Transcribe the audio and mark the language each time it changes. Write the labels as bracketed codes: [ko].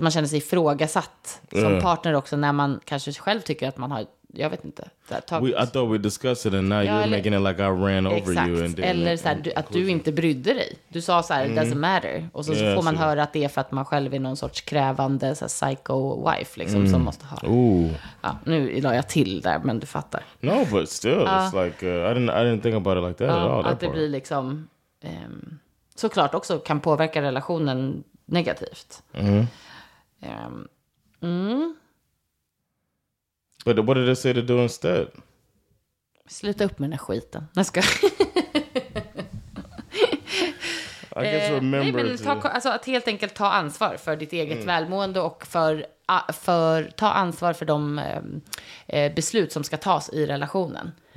[sv] Man känner sig ifrågasatt som partner också när man kanske själv tycker att man har, jag vet inte. [en] I thought we discussed it and now you're making it like I ran over you. [sv] Exakt. Eller så här, att du inte brydde dig. Du sa så här, [en] it doesn't matter. [sv] Och så får man höra att det är för att man själv är någon sorts krävande så här, psycho wife liksom, som måste ha. Ooh. Ja, nu la jag till där, men du fattar. [en] No, but still. It's like, I didn't think about it like that at all. [sv] Att det blir liksom... såklart också kan påverka relationen negativt. [en] But what did they say to do instead? [sv] Sluta upp med den här skiten. Nej, ska [en] I guess remember [sv] alltså att helt enkelt ta ansvar för ditt eget välmående och för ta ansvar för de beslut som ska tas i relationen.